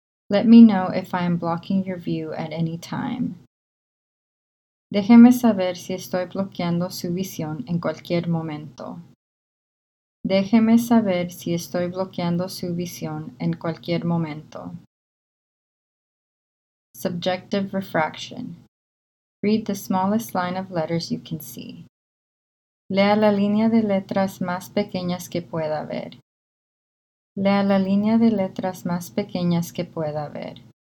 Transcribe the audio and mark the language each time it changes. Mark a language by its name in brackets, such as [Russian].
[English] Let me know if I am blocking your view at any time. [Spanish] Déjeme saber si estoy bloqueando su visión en cualquier momento. Déjeme saber si estoy bloqueando su visión en cualquier momento. [English] Subjective refraction. Read the smallest line of letters you can see. [Spanish] Lea la línea de letras más pequeñas que pueda ver. Lea la línea de letras más pequeñas que pueda ver.